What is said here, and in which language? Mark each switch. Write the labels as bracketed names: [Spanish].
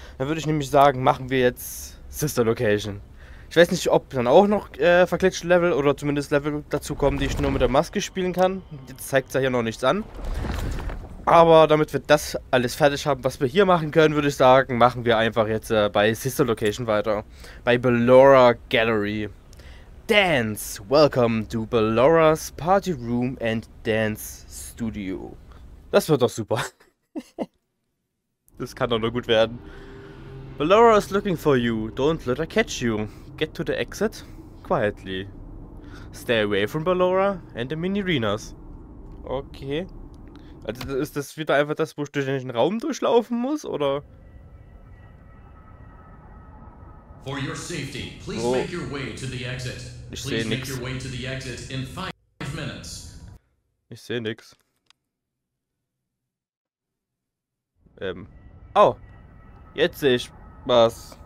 [German] Dann würde ich nämlich sagen, machen wir jetzt Sister Location. Ich weiß nicht, ob dann auch noch verglitschte Level oder zumindest Level dazu kommen, die ich nur mit der Maske spielen kann. Jetzt zeigt es ja hier noch nichts an. Aber damit wir das alles fertig haben, was wir hier machen können, würde ich sagen, machen wir einfach jetzt bei Sister Location weiter. Bei Ballora Gallery. [English] Dance, welcome to Ballora's Party Room and Dance Studio. [German] Das wird doch super. Das kann doch nur gut werden. [English] Ballora is looking for you. Don't let her catch you. Get to the exit quietly. Stay away from Ballora and the Mini-Rinas. Okay. [German] Also ist das wieder einfach das, wo ich durch den Raum durchlaufen muss, oder? [English] For your safety, please oh. Make your way to the exit. [German] Ich sehe nix. [English] Make your way to the exit in 5 minutes. [German] Ich sehe nix. Oh. Jetzt sehe ich was.